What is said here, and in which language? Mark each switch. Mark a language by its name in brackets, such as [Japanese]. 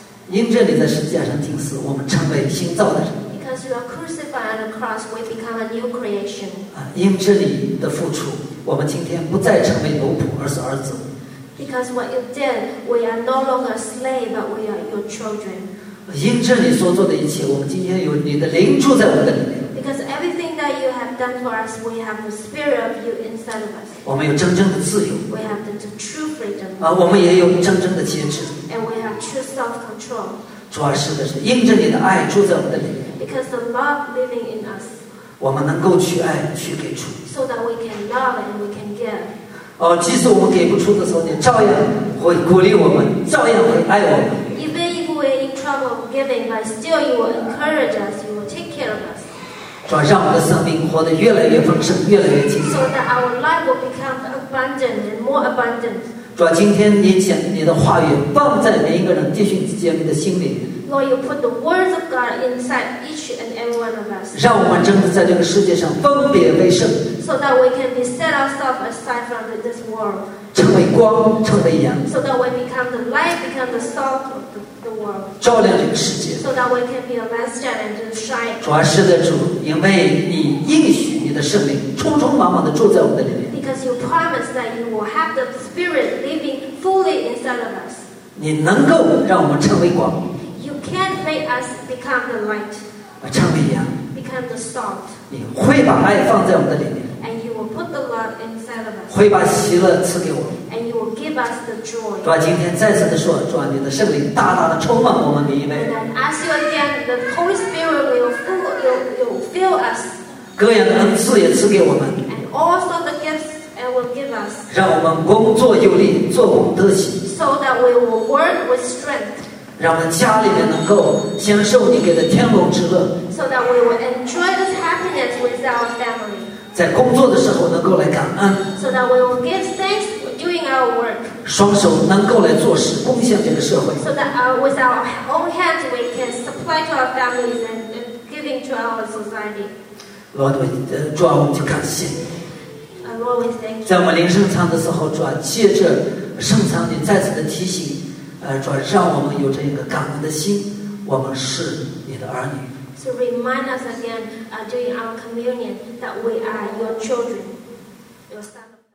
[Chinese] 因着你在十字架上钉死，我们成为新造的人。 [English] Because you are crucified on the cross, we become a new creation. [Chinese] 因着你的付出，我们今天不再成为奴仆，而是儿子。 [English] Because what you did, we are no longer slave, but we are your children. [Chinese] 因着你所做的一切，我们今天有你的灵住在我们的里面。 [English] Because everything that you have done for us, we have the spirit of you inside of us. [Chinese] 我们有真正的自由。 [English] We have the true freedom. [Chinese] 我们也有真正的节制。 [English] And we have true self-control. [Chinese] 主啊，是的是，因着你的爱住在我们的里面。 [English] Because the love living in us. [Chinese] 我们能够去爱，去给出。 [English] So that we can love and we can give. [Chinese] 即使我们给不出的时候，你照样会鼓励我们，照样会爱我们。 [English] Even if we are in trouble giving, but still you will encourage us, you will take care of us. [Chinese] 主啊，让我的生命活得越来越丰盛，越来越精彩。 [English] So that our life will become abundant and more abundant. [Chinese] 主啊，今天你的话语放在每一个人弟兄姐妹的心里。 [English] Lord, you put the words of God inside each and every one of us. [Chinese] 让我们真的在这个世界上分别为圣。 [English] So that we can be set ourselves aside from this world. [Chinese] 成为光，成为盐。 [English] So that we become the light, become the salt of the world. [Chinese] 照亮这个世界。 [English] So that we can be a lampstand and shine. [Chinese] 主啊，是的，主，因为你应许你的圣灵充充满满的住在我们的里面。 [English] Because you promised that you will have the Spirit living fully inside of us. [Chinese] 你能够让我们成为光。 [English] Can't make us become the light. Become the salt. [Chinese] 你会把爱放在我们的里面。 [English] And you will put the love inside of us. [Chinese] 会把喜乐赐给我们。 [English] And you will give us the joy. [Chinese] 主啊，今天再次的说，主啊，你的圣灵大大的充满我们每一位。 [English] And ask you again, the Holy Spirit will fill us. [Chinese] 各样的恩赐也赐给我们。 [English] And also the gifts will give us. [Chinese] 让我们工作有力，做工得喜。 [English] So that we will work with strength. [Chinese] 让我们家里面能够享受你给的天伦之乐。 [English] So that we will enjoy this happiness with our family. [Chinese] 在工作的时候能够来感恩。 [English] So that we will give thanks doing our work. [Chinese] 双手能够来做事，贡献这个社会。 [English] So that with our own hands we can supply to our families and giving to our society. Lord, we just thank you. Lord, we thank you. [Chinese] 在我们灵圣餐的时候，主啊，借着圣餐你再次的提醒。主啊，让我们有这一个感恩的心，我们是你的儿女。 [English] So remind us again, during our communion, that we are your children, your sons.